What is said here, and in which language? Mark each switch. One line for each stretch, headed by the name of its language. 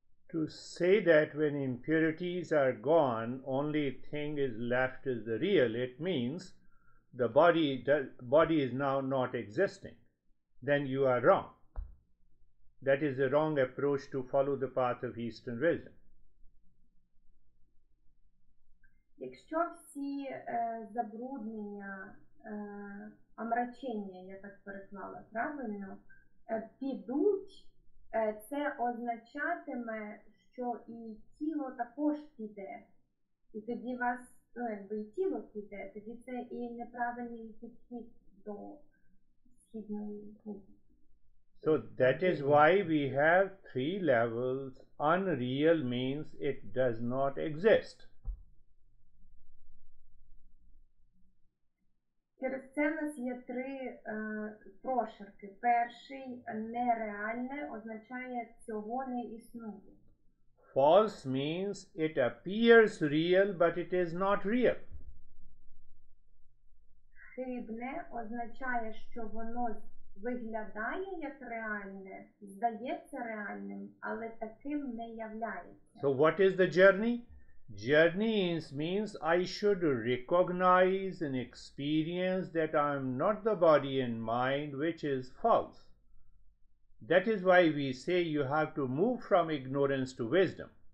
English: To say that when impurities are gone, only thing is left is the real, it means the body is now not existing. Then you are wrong. That is a wrong approach to follow the path of Eastern wisdom.
Ukrainian: Якщо всі забруднення, омрачення, я так переклала правильно, підуть, це означатиме, що і тіло також піде, і тоді вас, ну якби і тіло піде, тоді це і неправильний підхід до східної мови.
English: So that is why we have three levels. Unreal means it does not exist.
Ukrainian: Через це в нас є три прошарки. Перший нереальне означає цього не існує.
English: False means it appears real, but it is not real.
Ukrainian: Хибне означає, що воно виглядає як реальне, здається реальним, але таким не являється.
English: So what is the journey? Journeys means I should recognize and experience that I am not the body and mind, which is false. That is why we say you have to move from ignorance to wisdom.